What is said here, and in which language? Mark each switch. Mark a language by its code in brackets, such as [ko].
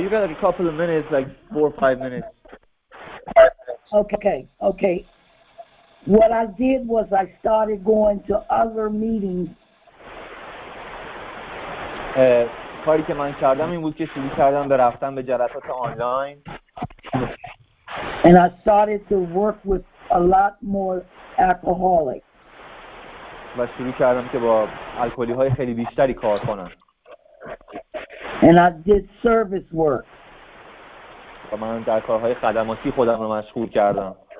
[en] You got a couple of minutes, like 4 or 5 minutes. Okay. What I did was I started going to other meetings. [fa] کاری که من کردم این بود که شروع کردم به رفتن به جلسات آنلاین. [en] And I started to work with a lot more alcoholics. [fa] و شروع کردم که با الکلی های خیلی بیشتری کار کنم. [en] And I did service work. [fa] و من در کارهای خدماتی خودم رو مشغول کردم.